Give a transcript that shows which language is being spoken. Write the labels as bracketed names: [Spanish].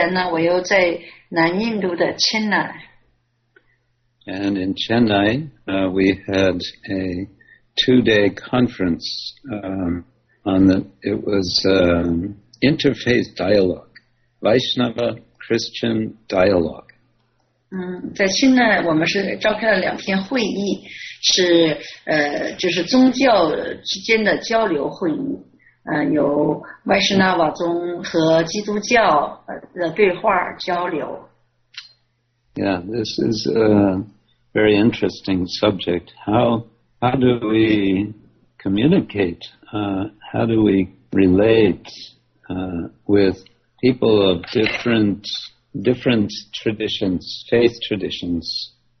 [Chinese] 之前呢,我在孟买待了两天,在那之前呢,我又在南印度的Chennai。 [English] And in Chennai, we had a two-day conference on the, it was interfaith dialogue, Vaishnava Christian dialogue. [Chinese] 在Chennai我们是召开了两天会议,是就是宗教之间的交流会议,有 Vaishnava宗和基督教的对话交流。 [English] Yeah, this is a very interesting subject. How do we communicate? How do we relate with people of different traditions, faith traditions?